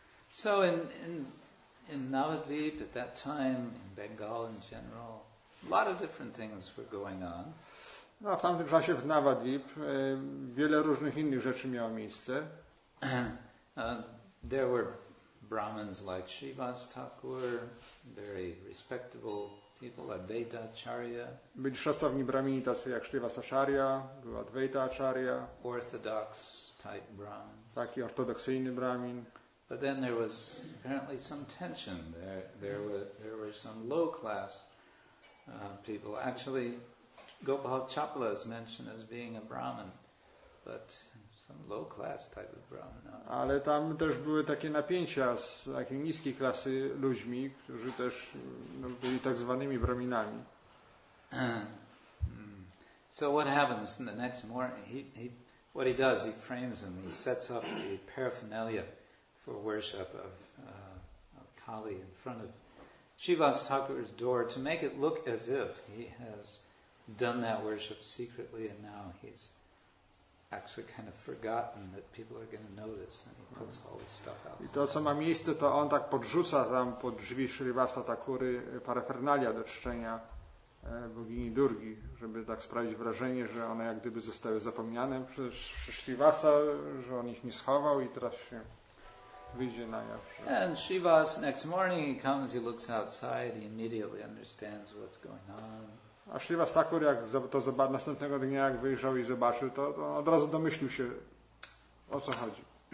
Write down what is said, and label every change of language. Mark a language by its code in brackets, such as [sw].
[en] So in Navadvip at that time, in Bengal in general, a lot of different things were going on. [pl] No, w tamtym czasie w Navadvip wiele różnych innych rzeczy miało miejsce. [en] There were Brahmins like Srivas Thakur, very respectable people, Advaita Acharya. [pl] Byli szacowni Brahmini tacy jak Srivas Acharya, był Advaita Acharya. [en] Orthodox type Brahmin. [pl] Taki ortodoksyjny Brahmin. [en] But then there was apparently some tension. There were some low class people. Actually, Gopal Chapla is mentioned as being a Brahmin, but some low class type of Brahmin. [pl] Ale tam też były takie napięcia z takiej niskiej klasy ludźmi, którzy też byli tak zwanymi Brahminami. [en] So what happens in the next morning? He frames them. He sets up the paraphernalia for worship of Kali in front of Shiva's Thakur's door to make it look as if he has done that worship secretly, and now he's actually kind of forgotten that people are going to notice, and he puts all this stuff out. [pl] I to, co ma miejsce, to on tak podrzuca tam pod drzwi Srivasa Thakury parafernalia do czczenia bogini Durgi, żeby tak sprawić wrażenie, że one jak gdyby zostały zapomniane przez Srivasa, że on ich nie schował i teraz się wyjdzie na jaw. [en] And Srivas, next morning he comes, he looks outside, he immediately understands what's going on. [pl] A Srivas Thakur, jak to zobaczył następnego dnia, jak wyjrzał i zobaczył, to od razu domyślił się, o co chodzi.